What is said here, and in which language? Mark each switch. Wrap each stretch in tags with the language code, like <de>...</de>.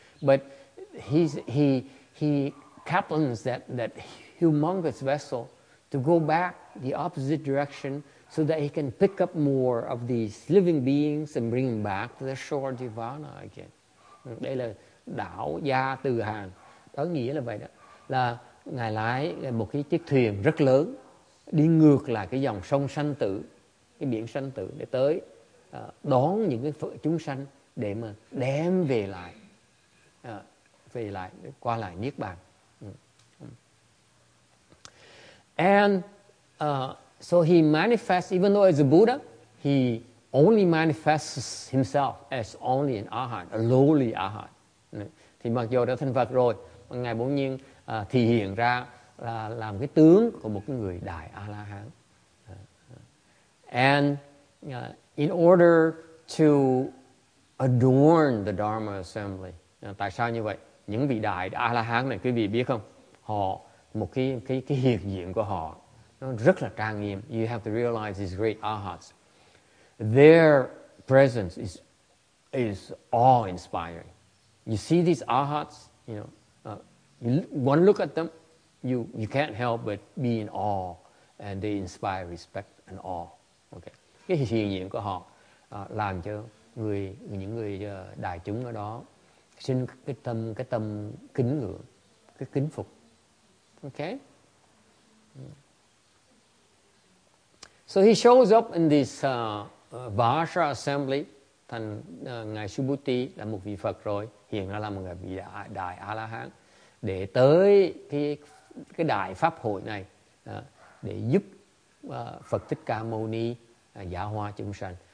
<en>But he captains that humongous vessel to go back the opposite direction so that he can pick up more of these living beings and bring them back to the shore Divana again.</en> <vi>Đây là đảo gia từ hàng. Đó nghĩa là vậy đó. Là ngài lái một cái chiếc thuyền rất lớn đi ngược lại cái dòng sông sanh tử, cái biển sanh tử để tới đón những cái chúng sanh để mà đem về lại qua lại Niết Bàn.</vi> <en>And so he manifests, even though as a Buddha, he only manifests himself as only an Arhat, a lowly Arhat.</en> <vi>Thì mặc dù đã thành Phật rồi, ngài bỗng nhiên thì hiện ra là làm cái tướng của một cái người đại A-la-hán.</vi> <en>And in order to adorn the Dharma assembly,</en> <vi>tại sao như vậy? Những vị đại A-la-hán này, quý vị biết không? Họ một cái hiện diện của họ nó rất là trang nghiêm.</vi> <en>You have to realize these great arhats, their presence is awe inspiring. You see these arhats, you know, one look at them, you can't help but be in awe, and they inspire respect and awe. Okay.</en> <vi>cái hiện diện của họ làm cho những người đại chúng ở đó sinh cái tâm kính ngưỡng, cái kính phục.</vi> <en>Ok. So he shows up in this Vajra assembly.</en> <vi>Thành Ngài Subhuti là một vị Phật rồi, hiện ra là một người vị đại A-la-hán, để tới cái đại pháp hội này để giúp Phật Thích Ca Mâu Ni giáo hóa chúng sanh.</vi>